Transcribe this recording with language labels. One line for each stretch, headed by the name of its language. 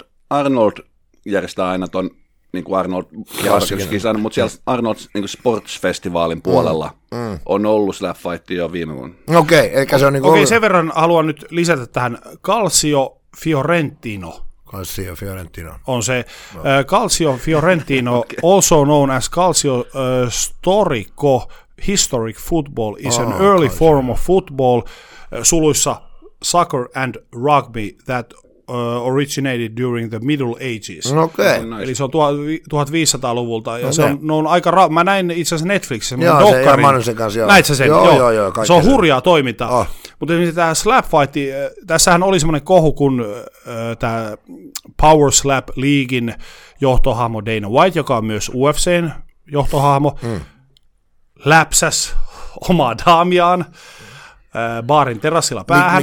Finnish: Arnold järjestää aina ton niin kuin Arnold kisan, mutta siellä Arnold niin kuin sportsfestivaalin puolella on ollut Slap Fight jo viime vuonna. Okei, okay, eikä se on niin kuin okei, okay, sen verran haluan nyt lisätä tähän Calcio Fiorentino. Calcio Fiorentino. On se no. Calcio Fiorentino, okay.
English: Also known as Calcio Storico, Historic Football is an early Calcio. Form of football, suluissa soccer and rugby that originated during the Middle Ages.
Finnish: No, okay. Eli se on 1500-luvulta. Ja no, se on aika mä näin itse asiassa Netflixissä. Joo, dokkarin. Se ei ole Manusen kanssa. Joo. Näit sä sen? Joo, joo. Joo, se on hurjaa toimintaa. Oh. Mutta tämä Slap Fight, tässähän oli semmoinen kohu, kun tämä Power Slap Leaguein johtohahmo Dana White, joka on myös UFC:n johtohahmo, läpsäs omaa daamiaan baarin terassilla päähän.